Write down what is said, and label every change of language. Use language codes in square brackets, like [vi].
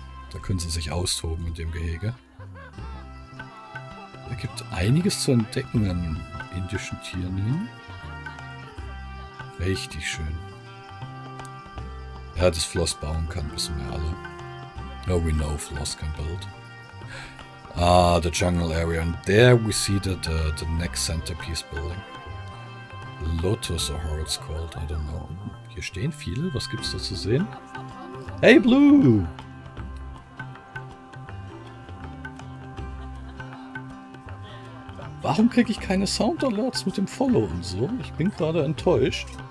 [de] Da können sie sich austoben in dem Gehege. Da gibt einiges zu entdecken an indischen Tieren hin. Richtig schön. Ja, das Floss bauen kann, wissen wir alle. [en] No, we know Floss can build. Ah, the jungle area. And there we see the next centerpiece building. Lotus or how it's called, I don't know. [de] Hier stehen viele, was gibt's da zu sehen? Hey, Blue! Warum kriege ich keine Sound Alerts mit dem Follow und so? Ich bin gerade enttäuscht.